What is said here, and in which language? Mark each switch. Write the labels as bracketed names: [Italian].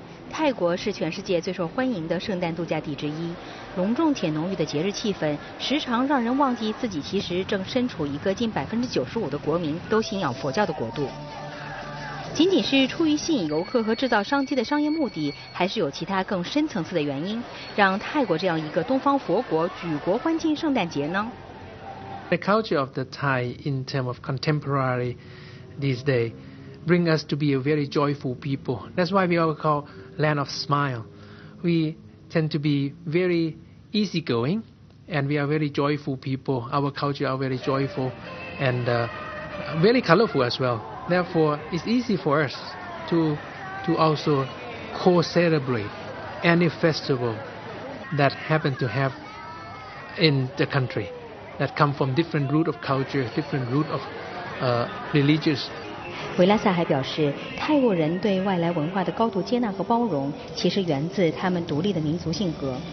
[Chinese] 泰国是全世界最受欢迎的圣诞度假地之一，隆重且浓郁的节日气氛时常让人忘记自己其实正身处一个近95%的国民都信仰佛教的国度。仅仅是出于吸引游客和制造商机的商业目的，还是有其他更深层次的原因，让泰国这样一个东方佛国举国欢庆圣诞节呢？ [English] The culture of the Thai in terms of contemporary these days bring us to be a very joyful people. That's why we are called land of smile. We tend to be very easygoing, and we are very joyful people. Our culture are very joyful and very colorful as well. Therefore, it's easy for us to also co-celebrate any festival that happen to have in the country that come from different root of culture, different root of religious. [Chinese] 维拉萨还表示，泰国人对外来文化的高度接纳和包容，其实源自他们独立的民族性格。